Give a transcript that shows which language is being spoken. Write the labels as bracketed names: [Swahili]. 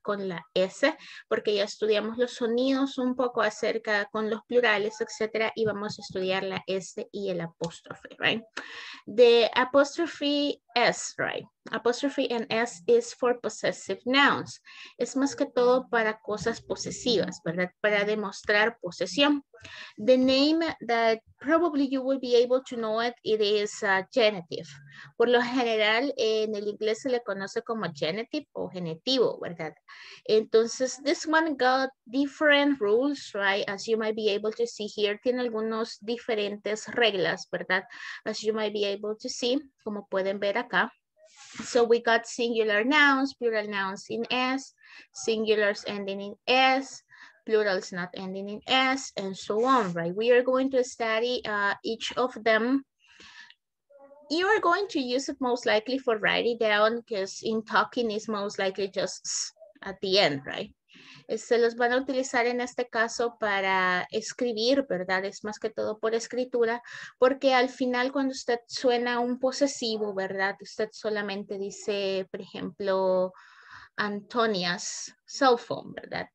[Spanish] Con la S, porque ya estudiamos los sonidos un poco acerca con los plurales, etcétera, y vamos a estudiar la S y el apóstrofe, ¿right? [English] The apostrophe S, ¿right? Apostrophe and S is for possessive nouns. [Spanish] Es más que todo para cosas posesivas, ¿verdad? Para demostrar posesión. [English] The name that probably you will be able to know it is genitive. [Spanish] Por lo general, en el inglés se le conoce como genitive o genitivo, ¿verdad? [English] Entonces, this one got different rules, right? As you might be able to see here, [Spanish] tiene algunos diferentes reglas, ¿verdad? [English] As you might be able to see, [Spanish] como pueden ver acá. [English] So we got singular nouns, plural nouns in S, singulars ending in S, plurals not ending in S, and so on, right? We are going to study each of them. You are going to use it most likely for writing down, because in talking is most likely just at the end, right? [Spanish] Se los van a utilizar en este caso para escribir, ¿verdad? Es más que todo por escritura, porque al final cuando usted suena un posesivo, ¿verdad? Usted solamente dice, por ejemplo, [English] Antonia's cell phone, [Spanish] ¿verdad?